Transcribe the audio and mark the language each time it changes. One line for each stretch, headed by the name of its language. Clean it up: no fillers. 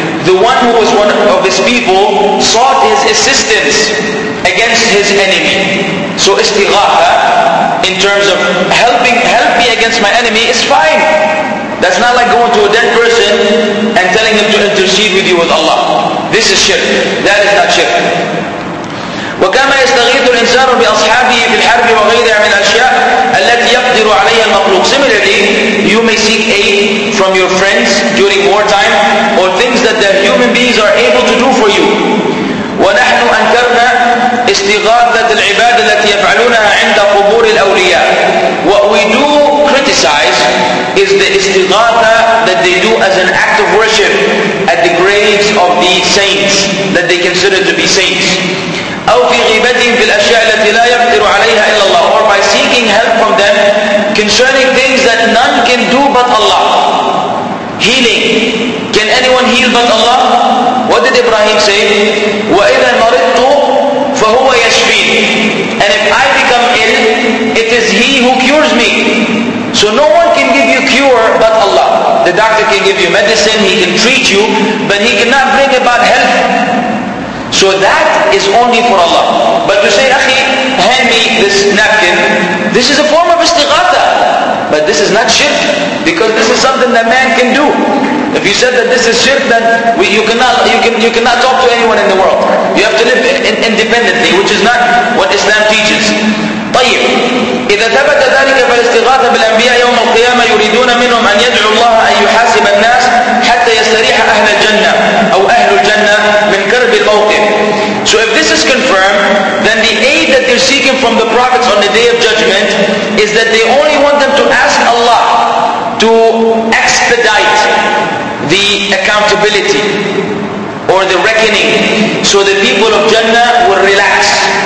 English: The one who was one of his people sought his assistance against his enemy. So istighatha, in terms of help me against my enemy, is fine. That's not like going to a dead person and telling him to intercede with you with Allah. This is shirk. That is not shirk.
Arabic: وكما يستغيث الإنسان بأصحابه في الحرب وغيرها من الأشياء التي يقدر عليها المخلوق.
English: Similarly, you may seek aid from your friends during wartime or things that the human beings are able to do for you.
Arabic: ونحن أنكرنا استغاثة العباد التي يفعلونها عند قبور الأولياء.
English: What we do criticize is the istighatha that they do as an act of worship at the graves of the saints that they consider to be saints.
Arabic: أو في غيبتهم في الأشياء التي لا يقدر عليها إلا الله.
English: Or by seeking help from them concerning things that none can do but Allah. Healing. Can anyone heal but Allah? What did Ibrahim say?
Arabic: وَإِذَا مَرِضْتُ فَهُوَ يَشْفِينِ.
English: And if I become ill, it is He who cures me. So no one can give you cure but Allah. The doctor can give you medicine, he can treat you, but he cannot bring about health. So that is only for Allah. But to say, akhi, hand me this napkin, this is a form of istighatha. But this is not shirk, because this is something that man can do. If you said that this is shirk, then you cannot talk to anyone in the world. You have to live independently, which is not what Islam teaches.
Arabic: طيب, إذا ثبت ذلك فالاستغاثة بالأنبياء يوم القيامة يريدون منهم أن يدعو الله أن يحاسب الناس حتى يستريح أهل الجنة أو أهل الجنة من كرب الموقف.
English: So if this is confirmed, then the aid that they're seeking from the prophets on the day of judgment is that they only want them to ask Allah to expedite the accountability or the reckoning, so the people of Jannah will relax.